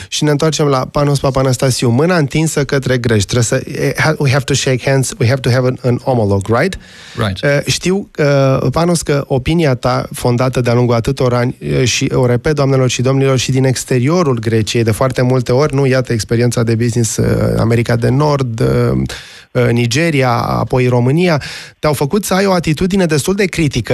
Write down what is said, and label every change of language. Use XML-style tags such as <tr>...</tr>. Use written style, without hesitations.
<ro>Și ne întoarcem la Panos Papanastasiu. Mâna întinsă către greci.</ro> <en>We have to shake hands, we have to have an homologue, right? Right.</en> <ro>Știu, Panos, că opinia ta, fondată de-a lungul atâtor ani, și o repet, doamnelor și domnilor, și din exteriorul Greciei, de foarte multe ori, nu, iată experiența de business, America de Nord, Nigeria, apoi România, te-au făcut să ai o atitudine destul de critică.</ro>